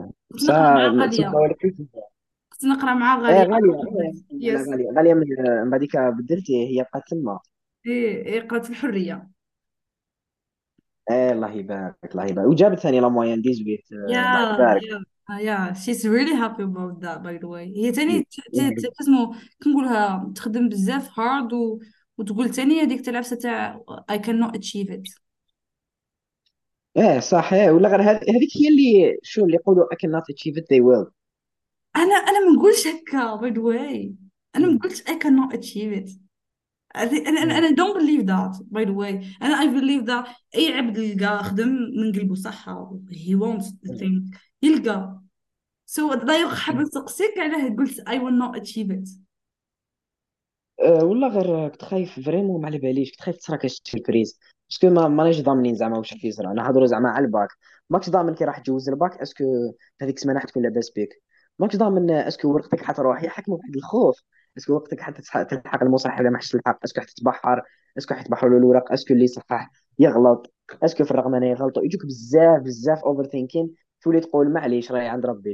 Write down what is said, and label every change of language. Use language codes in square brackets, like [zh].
[ar] كنت صا نقرا معاه غالية، تما كنت نقرا معاه ايه غالية غالية يس غالية غالية من بعديك بدلتي هي بقات تما. ايه قرات الحرية ايه الله يبارك الله يبارك، وجابت ثاني لا موين 18 الله يبارك. [en] يا she's really happy about that by the way. [ar] هي تاني تسمو كنقولها تخدم بزاف هارد، وتقول تاني هذيك العفسة تاع [en] I cannot achieve it. [ar] ايه صح ايه ولا غير هذيك هي اللي شو اللي يقولوا [en] I cannot achieve it they will. [ar] انا ما نقولش هكا [en] by the way، [ar] انا ما نقولش [en] I cannot achieve it. [ar] انا [en] don't believe that by the way. [ar] انا [en] I believe that [ar] اي عبد لقى خدم من قلبه صح، [en] he wants the thing [ar] يلقى. [en] So [ar] دا يخحب نسقسيك علاه قلت [en] I will not achieve it. [ar] والله غير كنت خايف فريمون ما على باليش، كنت خايف تصرا كاش سيربريز باسكو ماناش ضامنين زعما واش راح يصرا. نهضرو زعما على الباك ماكش ضامن كي راح تجوز الباك اسكو هذيك السمانه راح تكون لاباس بيك، ماكش ضامن اسكو ورقتك حتروح، يا حكم واحد الخوف اسكو وقتك حتى تلحق المصحف اذا ما حش تلحق، اسكو حتتبحر اسكو حيتبحروا له الوراق، اسكو اللي صحح يغلط اسكو في الرقم انا يغلطوا، يجوك بزاف بزاف اوفر ثينكين تولي تقول معليش راهي عند ربي.